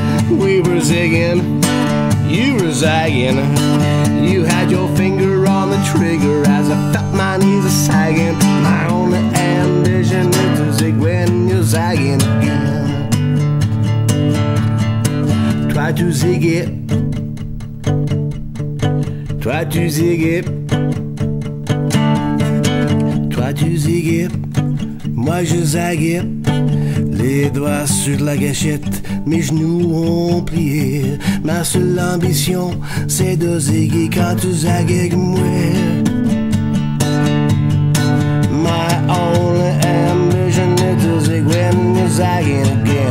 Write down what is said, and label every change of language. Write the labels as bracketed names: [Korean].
[English] We were zigging, you were zagging, you had your finger on the trigger as I felt my knees a-sagging. My only ambition is to zig when you're zagging again. Try to zig it, try to zig it. [French] Tu ziguer, moi je zague, les doigts sur la gâchette, mes genoux ont plié. Ma seule ambition, c'est de ziguer quand tu zagues moi. [English] My only ambition is to zig when you're zagging.